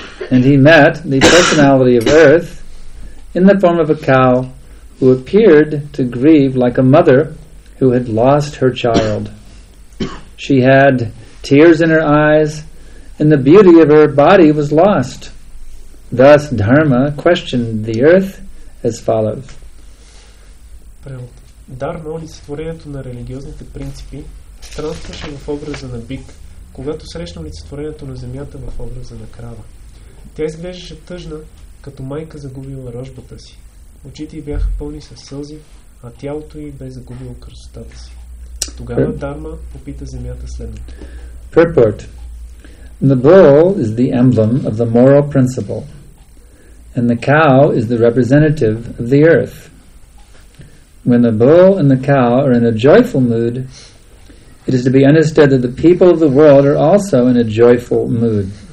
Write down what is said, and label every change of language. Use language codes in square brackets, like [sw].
[en] And he met the personality of earth in the form of a cow who appeared to grieve like a mother who had lost her child. She had tears in her eyes and the beauty of her body was lost. Thus Dharma questioned the earth as follows. Dharma is [bg] творението на религиозните принципи Странстваше в образа на бик, когато срещна олицетворението на земята в образа на крава. Тя изглеждаше тъжна, като майка загубила рожбата си. Очите й бяха пълни със сълзи, а тялото й бе загубило красотата си. Тогава Дарма попита земята следното. [en] Purport. The bull is the emblem of the moral principle, and the cow is the representative of the earth. When the bull and the cow are in a joyful mood, it is to be understood that the people of the world are also in a joyful mood.